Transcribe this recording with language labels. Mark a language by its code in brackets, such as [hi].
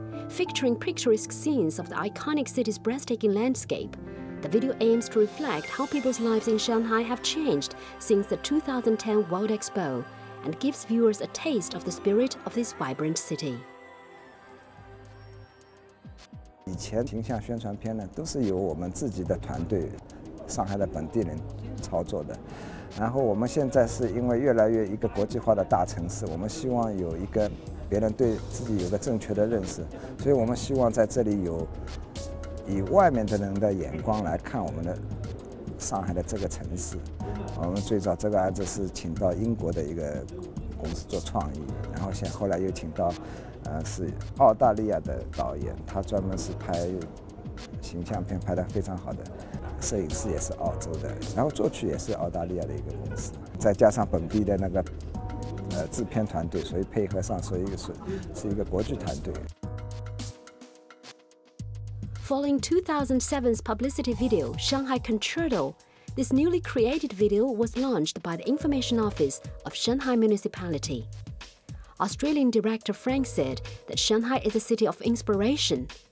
[en] Featuring picturesque scenes of the iconic city's breathtaking landscape, the video aims to reflect how people's lives in Shanghai have changed since the 2010 World Expo and gives viewers a taste of the spirit of this vibrant city. [zh] 以前形象宣传片呢，都是由我们自己的团队，上海的本地人操作的。然后我们现在是因为越来越一个国际化的大城市，我们希望有一个别人对自己有个正确的认识，所以我们希望在这里有以外面的人的眼光来看我们的上海的这个城市。我们最早这个案子是请到英国的一个公司做创意，然后现在后来又请到是澳大利亚的导演，他专门是拍形象片拍得非常好的，摄影师也是澳洲的，然后作曲也是澳大利亚的一个公司，再加上本地的那个制片团队，所以配合上是一个国际团队。 [en] Following 2007's publicity video, Shanghai Concerto, this newly created video was launched by the Information Office of Shanghai Municipality. Australian director Frank said that Shanghai is a city of inspiration.